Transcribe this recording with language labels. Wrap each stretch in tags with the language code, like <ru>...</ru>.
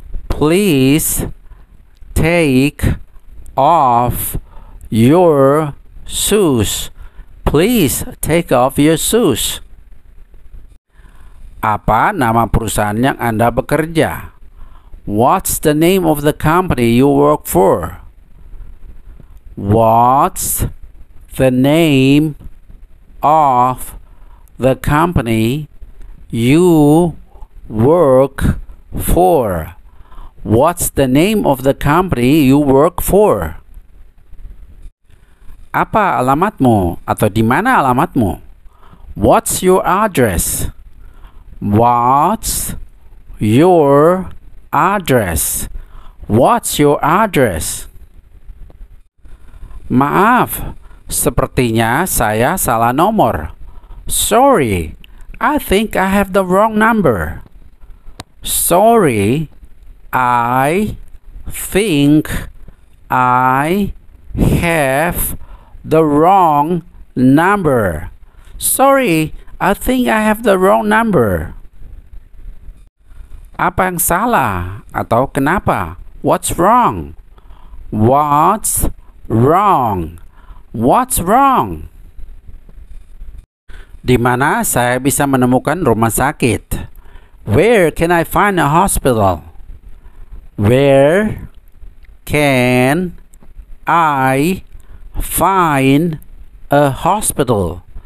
<en>Please take off your shoes. Please take off your shoes.</en> <id>Apa nama perusahaan yang Anda bekerja?</id> <en>What's the name of the company you work for? What's the name of the company you work for? What's the name of the company you work for?</en> <id>Apa alamatmu atau di mana alamatmu?</id> <en>What's your address? What's your address? What's your address?</en> <id>Maaf, sepertinya saya salah nomor.</id> <en>Sorry, I think I have the wrong number. Sorry, I think I have the wrong number. Sorry, I think I have the wrong number.</en> <id>Apa yang salah atau kenapa?</id> <en>What's wrong? What's wrong? What's wrong?</en> <id>Di mana saya bisa menemukan rumah sakit?</id> <en>Where can I find a hospital? Where can I find a hospital?</en>